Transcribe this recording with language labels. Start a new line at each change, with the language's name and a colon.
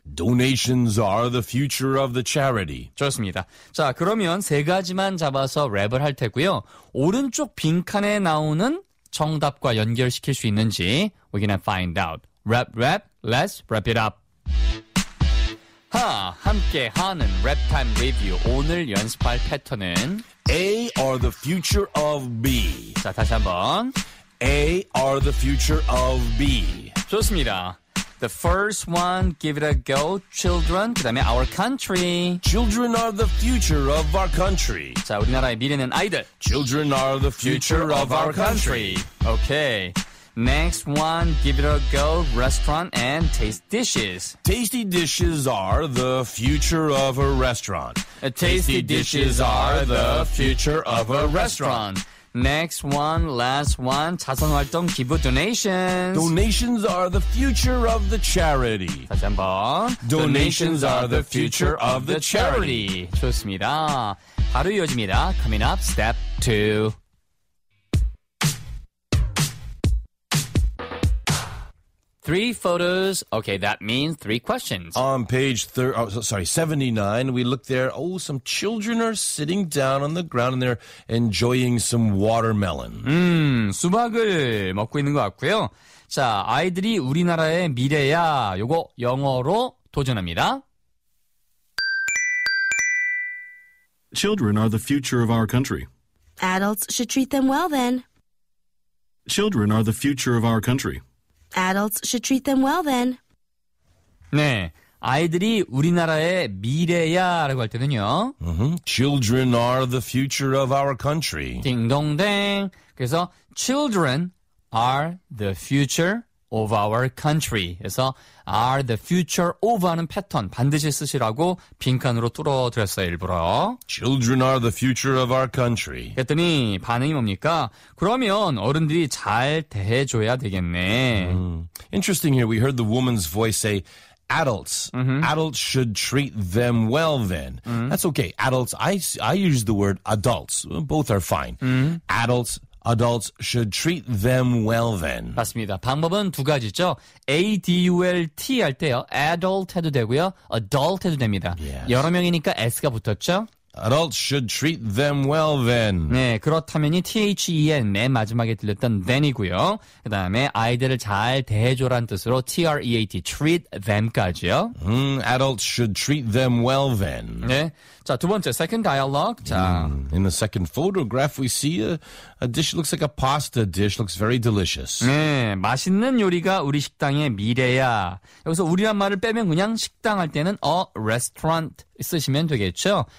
English: Donations are the future of the charity.
Korean: 좋습니다. 자, 그러면 세 가지만 잡아서 랩을 할 테고요. 오른쪽 빈칸에 나오는 정답과 연결시킬 수 있는지
English: we're gonna find out. Rap, rap, let's wrap it up.
Korean: 하, 함께하는 랩 타임 리뷰. 오늘 연습할 패턴은
English: A are the future of B.
Korean: 자, 다시 한번
English: A are the future of B.
Korean: 좋습니다.
English: The first one, give it a go, children.
Korean: 그 다음에
English: our country. Children are the future of our country.
Korean: 자, 우리나라의 미래는 아이들.
English: Children are the future of our country. Okay. Next one, give it a go, restaurant and taste dishes. Tasty dishes are the future of a restaurant. Tasty dishes are the future of a restaurant. Next one, last one.
Korean: 자선활동 기부 donations.
English: Donations are the future of the charity.
Korean: 다시 한번.
English: Donations are the future of the charity.
Korean: 좋습니다. 바로 이어집니다.
English: Coming up, step two. 3 photos. Okay, that means 3 questions. On page 79, we look there. Oh, some children are sitting down on the ground and they're enjoying some watermelon.
Korean: 수박을 먹고 있는 것 같고요. 자, 아이들이 우리나라의 미래야. 요거 영어로 도전합니다.
English: Children are the future of our country. Adults should treat them well then. Children are the future of our country. Adults should treat them well then.
Korean: 네, 아이들이 우리나라의 미래야라고 할 때는요.
English: Children are the future of our country.
Korean: 딩동댕.
English: 그래서 children are the future of our country.
Korean: 그래서
English: are the future of
Korean: 하는 패턴 반드시 쓰시라고 빈칸으로 뚫어드렸어요, 일부러.
English: Children are the future of our country.
Korean: 그랬더니 반응이 뭡니까? 그러면 어른들이 잘 대해줘야 되겠네.
English: Interesting here, we heard the woman's voice say, adults, adults should treat them well then. That's okay, adults, I use the word adults, both are fine. Adults, adults should treat them well then.
Korean: 맞습니다. 방법은 두 가지죠. A-D-U-L-T 할 때요. Adult 해도 되고요. Adult 해도 됩니다.
English: Yes.
Korean: 여러 명이니까 S가 붙었죠.
English: Adults should treat them well then.
Korean: 네, 그렇다면이 T-H-E-N 맨 마지막에 들렸던 then이고요. 그 다음에 아이들을 잘 대해줘란 뜻으로 T-R-E-A-T, treat them까지요.
English: Adults should treat them well then.
Korean: 네, 자, 두 번째,
English: second dialogue.
Korean: 자,
English: In the second photograph, we see a dish, looks like a pasta dish, looks very delicious.
Korean: 네, 맛있는 요리가 우리 식당의 미래야. 여기서 우리란 말을 빼면 그냥 식당 할 때는
English: a restaurant
Korean: 쓰시면 되겠죠.